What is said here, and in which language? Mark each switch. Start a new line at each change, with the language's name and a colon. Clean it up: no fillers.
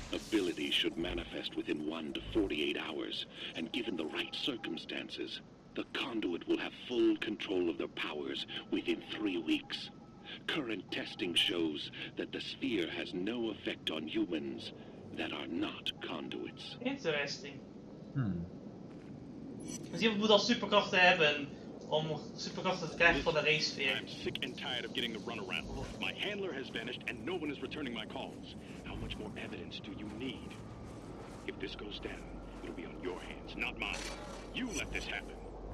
English: Abilities should manifest within 1 to 48 hours, and given the right circumstances, the conduit will have full control of their powers within 3 weeks. Current testing shows that the sphere has no effect on humans that are not conduits. Interesting. Hmm.
Dutch: Dus iemand moet al superkrachten hebben om superkrachten te krijgen van de racefeer.
English: I'm sick and tired of getting the runaround. My handler has vanished and no one is returning my calls. How much more evidence do you need? If this goes down, it'll be on your hands, not mine. You let this happen.